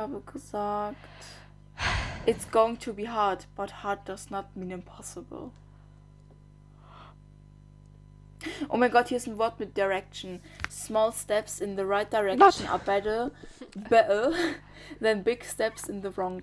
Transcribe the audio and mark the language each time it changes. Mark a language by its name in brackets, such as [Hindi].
[German] gesagt, [English] it's going to be hard, but hard does not mean impossible. [German] Oh mein Gott, hier ist ein Wort mit Direction. [English] Small steps in the right direction are better, than big steps in the wrong